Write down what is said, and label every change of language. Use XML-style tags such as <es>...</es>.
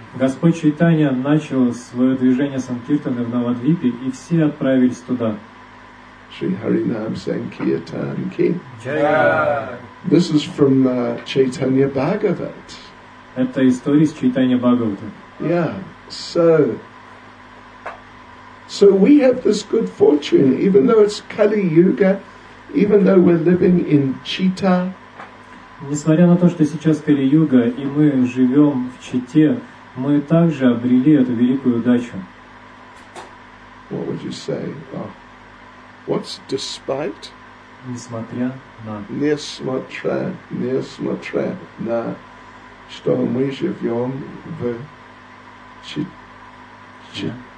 <ru>Господь Чайтанья начал свое движение Санкиртаны в Навадвипе, и все отправились туда.</ru> <sa>Шри Харинам Санкиртан Ки. Джая!</sa> <en>This is from Chaitanya Bhagavat.</en> <ru>Это история из Чайтанья Бхагавата.</ru> <en>Yeah, so we have this good fortune, even though it's Kali Yuga, even though we're living in Chita.</en> <ru>Несмотря на то, что сейчас Кали Юга и мы живем в Чите, мы также обрели эту великую удачу.</ru> <en>What would you say? Oh. What's despite?</en> <ru>Несмотря на. Несмотря на, что мы живем в Чите.</ru>